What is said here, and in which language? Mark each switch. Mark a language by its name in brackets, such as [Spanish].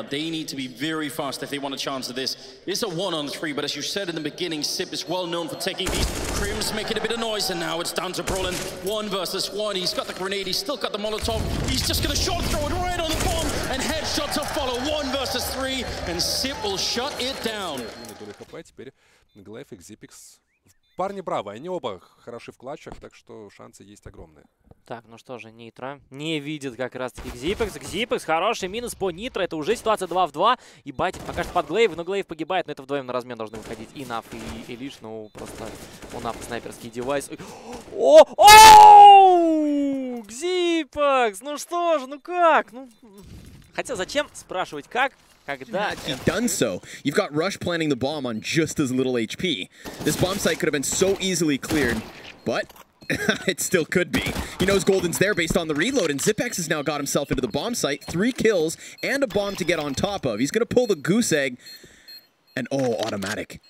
[English] They need to be very fast if they want a chance at this. It's a 1-on-3, but as you said in the beginning, Sip is well known for taking these. Crims making a bit of noise, and now it's down to Brolin. 1v1. He's got the grenade. He's still got the Molotov. He's just going to short throw it right on the bomb, and headshot to follow. one versus three, and Zip will shut it down. [Russian] Парни браво, они оба хороши в клатчах, так что шансы есть огромные. Так, ну что же, Нитро не видит как раз-таки Xipex. Xipex, хороший минус по Нитро, это уже ситуация 2 в 2. И батит пока что под Глейв, но Глейв погибает, но это вдвоем на размен должны выходить. И Нав, и Элиш, ну просто у Нав снайперский девайс. Xipex, ну что же, ну как? Ну... Хотя зачем спрашивать как? [English] He done so. You've got Rush planting the bomb on just as little HP. This bomb site could have been so easily cleared, but it still could be. He knows Golden's there based on the reload, and Zipex has now got himself into the bomb site. Three kills and a bomb to get on top of. He's going to pull the goose egg. And oh, automatic.